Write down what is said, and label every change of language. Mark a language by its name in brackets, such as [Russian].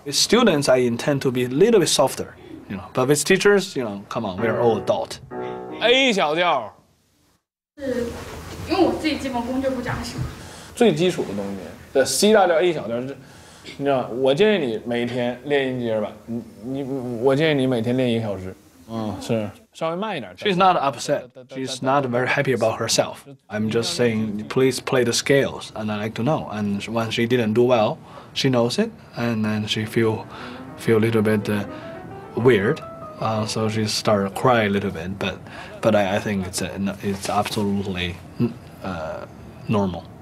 [English] With students, I intend to be a little bit softer, you know. But with teachers, you know, come on, we are all adult. [Chinese] A 小调。是，因为我自己基本功就不讲什么。最基础的东西，对 C 大调 A 小调是。你知道，我建议你每天练音阶吧。我建议你每天练一个小时。是，稍微慢一点。 [English] She's not upset. She's not very happy about herself. I'm just saying, please play the scales, and I like to know. And when she didn't do well, she knows it, and then she feel a little bit weird. So she start cry a little bit. But I think it's absolutely normal.